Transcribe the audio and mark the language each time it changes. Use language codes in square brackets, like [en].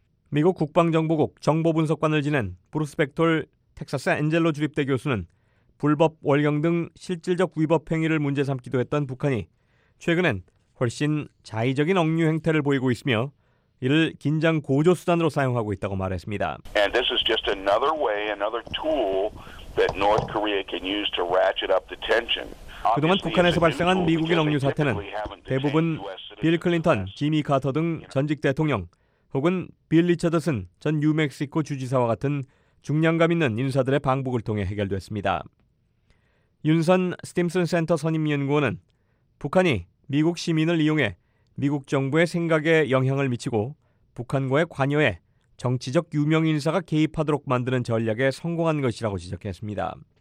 [ko] 미국 국방정보국 정보분석관을 지낸 브루스 벡톨 텍사스 앤젤로 주립대 교수는 불법 월경 등 실질적 위법 행위를 문제 삼기도 했던 북한이 최근엔 훨씬 자의적인 억류 행태를 보이고 있으며 이를 긴장 고조 수단으로 사용하고 있다고 말했습니다. [en] And this is just another way, another tool that North Korea can use to ratchet up the tension. [ko] 그동안 북한에서 발생한 미국인 억류 사태는 대부분 빌 클린턴, 지미 카터 등 전직 대통령 혹은 빌 리처드슨 전 뉴멕시코 주지사와 같은 중량감 있는 인사들의 방북을 통해 해결됐습니다. 윤선 스팀슨 센터 선임연구원은 북한이 미국 시민을 이용해 미국 정부의 생각에 영향을 미치고 북한과의 관여에 정치적 유명 인사가 개입하도록 만드는 전략에 성공한 것이라고 지적했습니다.